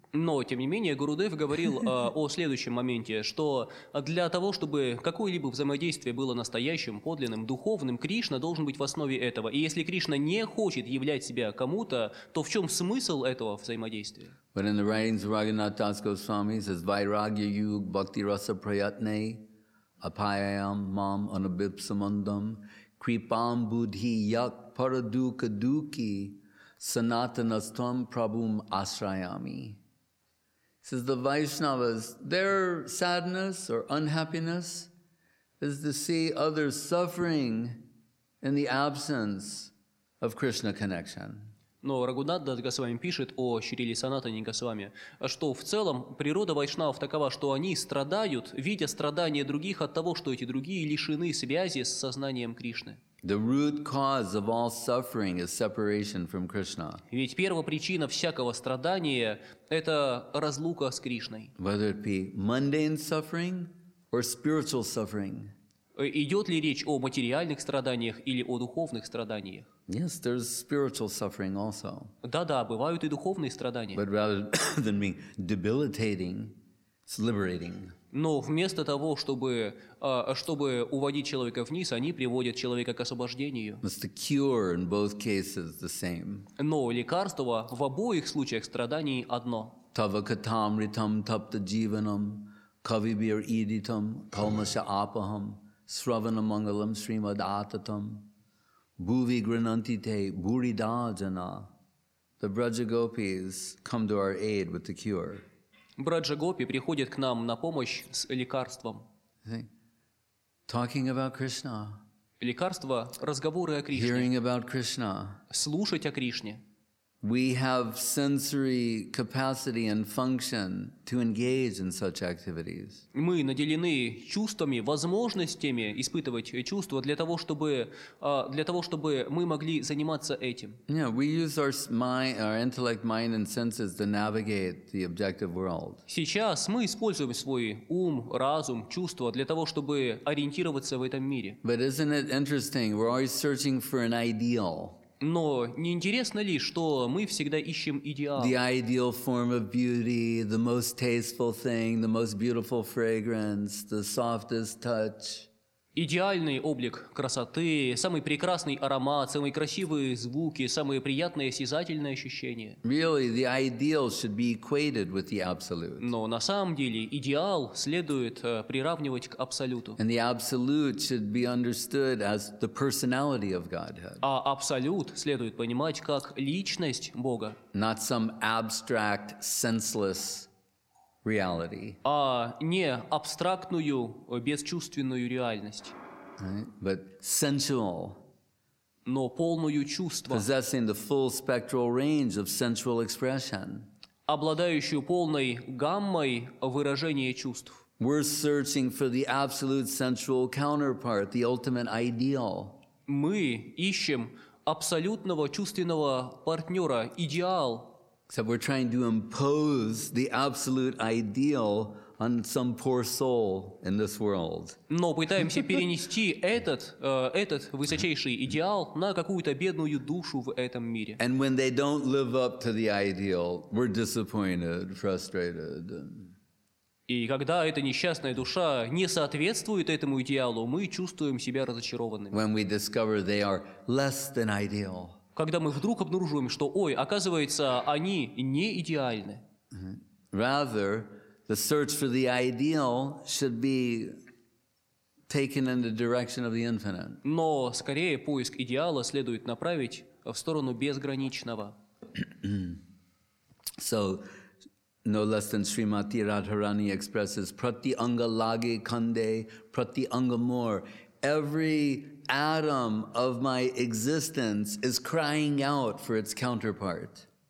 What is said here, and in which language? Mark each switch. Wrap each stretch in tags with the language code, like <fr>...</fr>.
<ru>Но, тем не менее, Гурудев говорил о следующем моменте, что для того, чтобы какое-либо взаимодействие было настоящим, подлинным, духовным, Кришна должен быть в основе этого. И если Кришна не хочет являть себя кому-то, то в чем смысл этого взаимодействия?</ru> <en>But in the writings of Raghunath Das Goswami, says,</en> <sa>Vairagya yug bhakti rasa prayatne apayam mam anabhipsamandam kripam buddhi yak paraduka duki sanatanastam prabhum asrayami.</sa> <en>Says the Vaishnavas, their sadness or unhappiness is to see others suffering in the absence of Krishna connection.</en> <ru>Но Рагунат Дас Госвами пишет о Шрили Санатане Госвами, что в целом природа вайшнавов такова, что они страдают, видя страдания других от того, что эти другие лишены связи с сознанием Кришны.</ru> <en>The root cause of all suffering is separation from Krishna.</en> <ru>Ведь первопричина всякого страдания – это разлука с Кришной.</ru> <en>Whether it be mundane suffering or spiritual suffering.</en> <ru>Идет ли речь о материальных страданиях или о духовных страданиях?</ru> <en>Yes, there's spiritual suffering also.</en> <ru>Да-да, бывают и духовные страдания.</ru> <en>But rather than being debilitating, it's liberating.</en> <ru>Но вместо того, чтобы уводить человека вниз, они приводят человека к освобождению.</ru> <en>It's the cure in both cases the same.</en> <ru>Но лекарство в обоих случаях страданий одно.</ru> <sa>Тавакатам ритам тапта дживанам кавибир идитам калмаша апахам сраванамангалам сримадататам буви гринантите бурида джана.</sa> <en>The Brajagopis come to our aid with the cure.</en> <ru>Браджа-гопи приходит к нам на помощь с лекарством.</ru> <en>Talking about Krishna.</en> <ru>Лекарство, разговоры о Кришне.</ru> <en>Hearing about Krishna.</en> <ru>Слушать о Кришне.</ru> <en>We have sensory capacity and function to engage in such activities.</en> <ru>Мы наделены чувствами, возможностями испытывать чувства для того, чтобы мы могли заниматься этим.</ru> <en>Yeah, we use our intellect, mind, and senses to navigate the objective world.</en> <ru>Сейчас мы используем свой ум, разум, чувства для того, чтобы ориентироваться в этом мире.</ru> <en>But isn't it interesting? We're always searching for an ideal.</en> <ru>Но не интересно ли, что мы всегда ищем идеал?</ru> <en>The ideal form of beauty, the most tasteful thing, the most beautiful fragrance, the softest touch.</en> <ru>Идеальный облик красоты, самый прекрасный аромат, самые красивые звуки, самые приятные осязательные ощущения.</ru> <en>Really, the ideal should be equated with the absolute.</en> <ru>Но на самом деле идеал следует приравнивать к абсолюту.</ru> <en>And the absolute should be understood as the personality of Godhead.</en> <ru>А абсолют следует понимать как личность Бога.</ru> <en>Not some abstract, senseless reality.</en> <ru>А не абстрактную, бесчувственную реальность.</ru> <en>But sensual.</en> <ru>Но полную чувства.</ru> <en>Possessing the full spectral range of sensual expression.</en> <ru>обладающую полной гаммой выражения чувств.</ru> <en>We're searching for the absolute sensual counterpart, the ultimate ideal.</en> <ru>Мы ищем абсолютного чувственного партнера, идеал.</ru> <en>Except we're trying to impose the absolute ideal on some poor soul in this world.</en> <ru>Но пытаемся перенести этот высочайший идеал на какую-то бедную душу в этом мире.</ru> <en>And when they don't live up to the ideal, we're disappointed, frustrated.</en> <ru>И когда эта несчастная душа не соответствует этому идеалу, мы чувствуем себя разочарованными.</ru> <en>When we discover they are less than ideal.</en> <ru>Когда мы вдруг обнаруживаем, что, ой, оказывается, они не идеальны.</ru> <en>Rather, the search for the ideal should be taken in the direction of the infinite.</en> <ru>Но скорее поиск идеала следует направить в сторону безграничного.</ru> <en>So, no less than Srimati Radharani expresses</en> <sa>prati anga lage kande prati anga mor.</sa> <en>Every atom of my existence is crying out for its counterpart.</en>